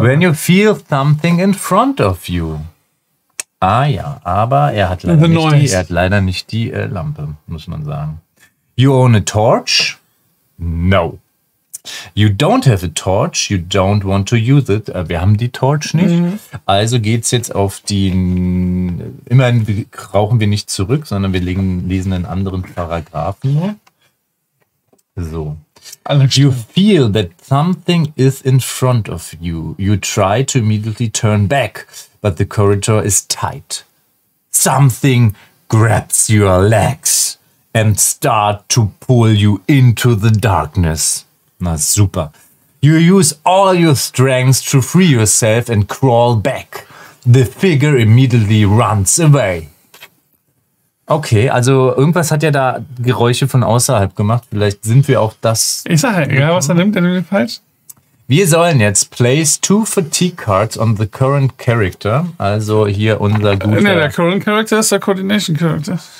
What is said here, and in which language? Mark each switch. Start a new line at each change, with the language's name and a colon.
English: When you feel something in front of you.
German: Ah ja, aber er hat leider nicht die Lampe, muss man sagen.
English: You own a torch? No. You don't have a torch. You don't want to use it.
German: Wir haben die Torch nicht. Mhm. Also geht's jetzt auf die... Immerhin rauchen wir nicht zurück, sondern wir lesen einen anderen Paragraphen. So.
English: You feel that something is in front of you. You try to immediately turn back, but the corridor is tight. Something grabs your legs and start to pull you into the darkness.
German: Na super.
English: You use all your strength to free yourself and crawl back. The figure immediately runs away.
German: Okay, also irgendwas hat ja da Geräusche von außerhalb gemacht. Vielleicht sind wir auch das... Ich sag ja, egal was er nimmt, der nimmt den falsch. Wir sollen jetzt
English: place 2 fatigue cards on the current character.
German: Also hier unser guter... Nee, der current character ist der Coordination character.